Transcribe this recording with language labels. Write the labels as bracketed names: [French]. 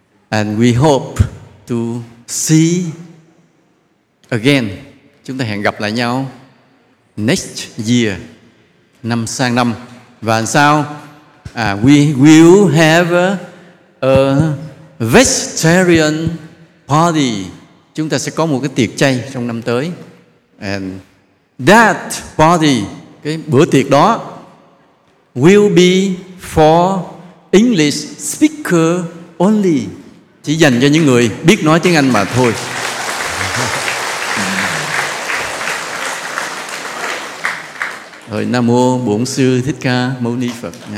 [English] And we hope to see again. [Vietnamese] Chúng ta hẹn gặp lại nhau [English] next year, [Vietnamese] năm sang năm. Và làm sao? [English] We will have a vegetarian party. [Vietnamese] Chúng ta sẽ có một cái tiệc chay trong năm tới. [English] And that party, [Vietnamese] cái bữa tiệc đó, [English] will be for English speaker only. [Vietnamese] Chỉ dành cho những người biết nói tiếng Anh mà thôi. Rồi, Nam Mô Bổn Sư Thích Ca Mâu Ni Phật.